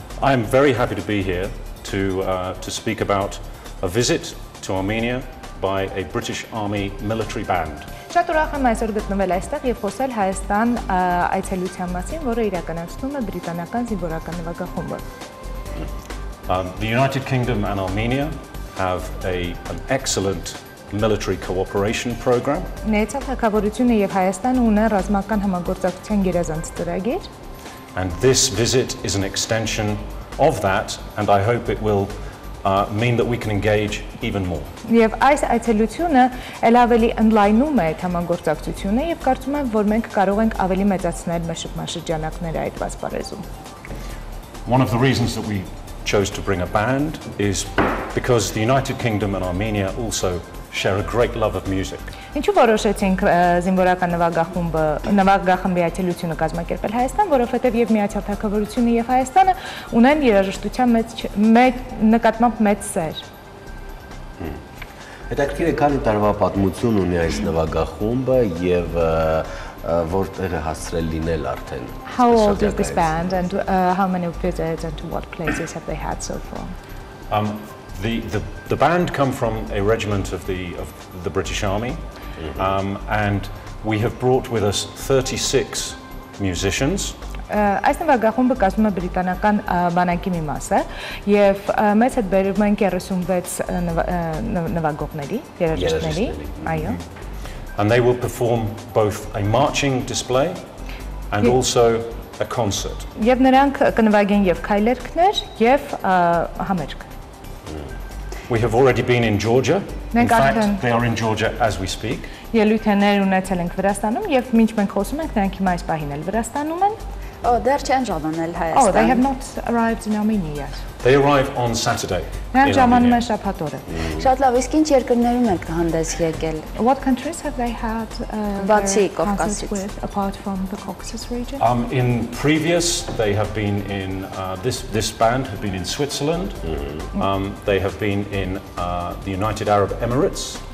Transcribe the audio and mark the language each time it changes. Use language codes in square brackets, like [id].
[en] I am very happy to be here to speak about a visit to Armenia by a British Army military band. [hy] Շատ ուրախ եմ այսօր գտնվել այստեղ եւ խոսել Հայաստան այցելության մասին, որը իրականացնում է բրիտանական զինվորական նվագախումբը։ [en] The United Kingdom and Armenia have an excellent military cooperation program. [hy] Միացյալ Թագավորությունը եւ Հայաստանը ունեն ռազմական համագործակցության գերազանց ծրագիր։ [en] And this visit is an extension of that, and I hope it will mean that we can engage even more. [hy] Եվ այս այցելությունը ավելի ընդլայնում է այդ համագործակցությունը եւ կարծում եմ, որ մենք կարող ենք ավելի մեծացնել մշակման շրջանակները այդ պաշտպանեզում։ [en] One of the reasons that we chose to bring a band is because the United Kingdom and Armenia also share a great love of music. [hy] Ինչու որոշեցինք զինվորական նվագախումբը նվագախմբի այցելությունը կազմակերպել Հայաստան, որովհետև եւ Միացյալ Թագավորությունը եւ Հայաստանը ունեն երաժշտության մեծ նկատմամբ մեծ սեր։ Հետաքրքիր է, քանի տարվա պատմություն ունի այս նվագախումբը եւ որտեղ է հասցրել լինել արդեն։ [en] How old is this band and how many visits and to what places have they had so far? The band come from a regiment of the British Army. And we have brought with us 36 musicians. [hy] Այս նվագախումբը կազմում է բրիտանական բանակի մի մասը եւ մեզ հետ բերում են 36 նվագողների, երաժիշտների, այո։ [en] And they will perform both a marching display and also a concert. [hy] Եվ նրանք կնվագեն եւ քայլերքներ եւ համերգ։ [en] We have already been in Georgia. In fact, they are in Georgia as we speak. [hy] Ելույթներ ունեցել ենք Վրաստանում եւ մինչ մենք խոսում ենք, նրանք հիմա այս պահին էլ Վրաստանում են։ Oh, դեռ չեն ժամանել Հայաստան։ [en] Oh, they have not arrived in Armenia yet. They arrive on Saturday. [hy] Նրանք ժամանում են շաբաթ օրը։ Շատ լավ, իսկ ինչ երկրներում են հանդես եկել։ [en] What countries have they had [hy] Բացի Կովկասից, [en] apart from the Caucasus region? In previous they have been in this band have been in Switzerland. They have been in the United Arab Emirates.